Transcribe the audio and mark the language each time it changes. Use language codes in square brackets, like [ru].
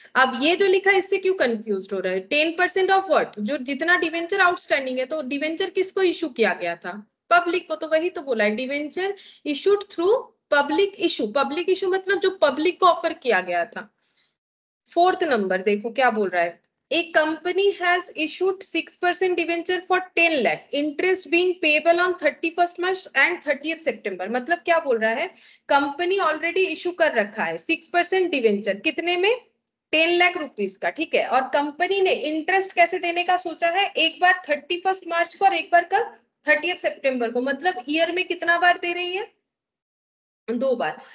[hi] अब ये जो लिखा है इससे क्यों कंफ्यूज्ड हो रहा है, [en] 10% off what? [hi] जो जितना डिवेंचर आउटस्टैंडिंग है, तो डिवेंचर किसको इशू किया गया था? पब्लिक को. तो वही तो बोला है, [en] Debenture issued through public issue. [hi] Public issue मतलब जो पब्लिक को ऑफर किया गया था. फोर्थ नंबर देखो क्या बोल रहा है. [en] A company has issued 6% debenture for 10 lakh, interest being payable on 31st March and 30th September. [hi] मतलब क्या बोल रहा है, कंपनी ऑलरेडी इशू कर रखा है 6% debenture, कितने में? 10 lakh rupees का, ठीक है. और कंपनी ने इंटरेस्ट कैसे देने का सोचा है, एक बार 31st March को और एक बार कब, 30th September को. मतलब ईयर में कितना बार दे रही है, दो बार.